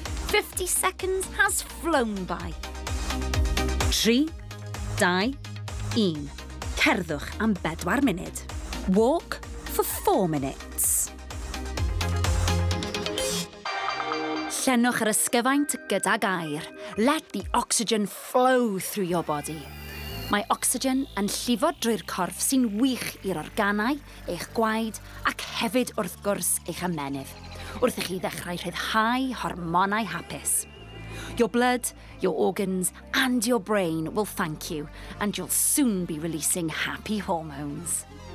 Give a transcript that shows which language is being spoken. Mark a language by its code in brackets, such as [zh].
[en] 50 seconds has flown by. 3, 2, 1. [cy] Cerddwch am 4 munud. [en] Walk for 4 minutes. [cy] Llenwch yr ysgyfaint gydag air. [en] Let the oxygen flow through your body. [cy] Mae oxygen yn llifo drwy'r corff sy'n wych i'r organau, eich gwaed ac hefyd wrth gwrs eich ymennydd. Wrth I chi ddechrau rhyddhau hormonau hapus. [en] Your blood, your organs, and your brain will thank you, and you'll soon be releasing happy hormones.